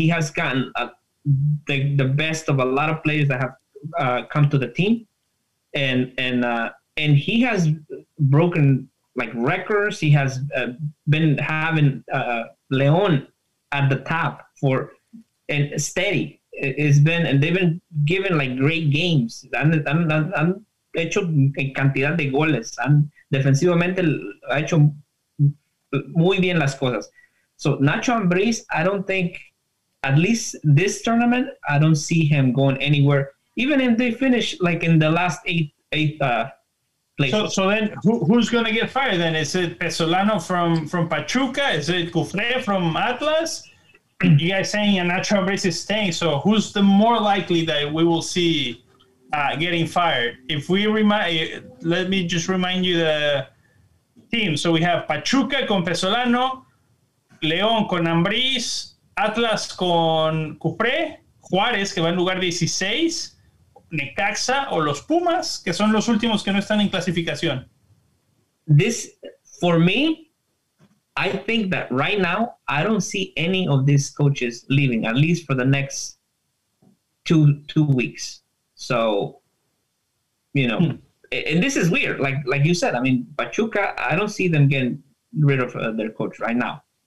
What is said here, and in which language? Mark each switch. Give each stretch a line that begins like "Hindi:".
English: He has gotten the best of a lot of players that have come to the team, and he has broken like records. He has been having León at the top for and steady. It's been, and they've been given like great games.
Spanish: Han hecho cantidad de goles. Han defensivamente ha hecho muy bien las cosas.
English: So Nacho Ambriz, I don't think, at least this tournament, I don't see him going anywhere. Even if they finish like in the last eighth place. So then who's going to get fired then? Is it Pezzolano from Pachuca? Is it Cufre from Atlas? You guys saying Nacho Ambriz is staying. So who's the more likely that we will see getting fired? If we let me just remind you the team. So we have
Spanish: Pachuca con Pezzolano, León con Ambriz, Atlas con Cufre, Juárez, que va en lugar 16, Necaxa o los Pumas, que son los últimos que no están en clasificación.
English: This, for me, I think that right now, I don't see any of these coaches leaving, at least for the next two weeks. So, you know, and this is weird. Like you said, I mean, Pachuca, I don't see them getting rid of their coach right now.